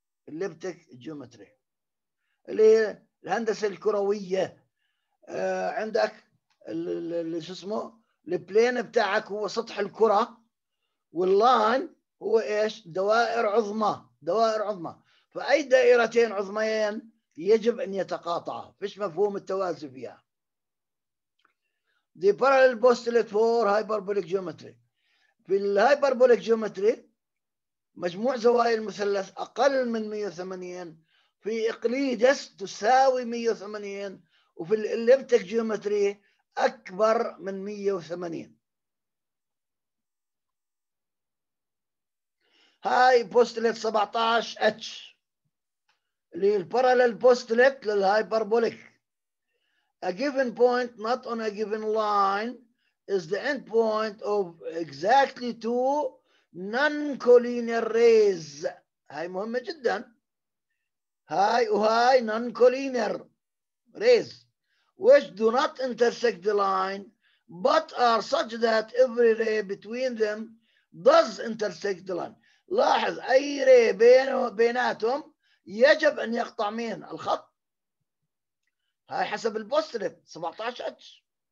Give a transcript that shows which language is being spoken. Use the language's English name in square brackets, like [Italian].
[Arabic] الليبتك جيومتري اللي هي الهندسه الكرويه عندك اللي شو اسمه البلين بتاعك هو سطح الكره واللاين هو ايش؟ دوائر عظمى، دوائر عظمى، فأي دائرتين عظميين يجب أن يتقاطعا، فيش مفهوم التوازي فيها. [English] The parallel postulate for hyperbolic geometry. [Arabic] في الهايبربوليك جيومتري مجموع زوايا المثلث أقل من 180 في إقليدس تساوي 180 وفي الإليبتك جيومتري أكبر من 180. هاي بوستلت 17 اتش اللي البارالل بوستلت للهايبربوليك. [English] A given point not on a given line is the end point of exactly two non-collinear rays. [Arabic] هاي مهمة جدا. هاي وهاي [English] non-collinear rays which do not intersect the line but are such that every ray between them does intersect the line. [Arabic] لاحظ اي ري بيناتهم يجب ان يقطع مين الخط هاي حسب البوستلت 17 اتش.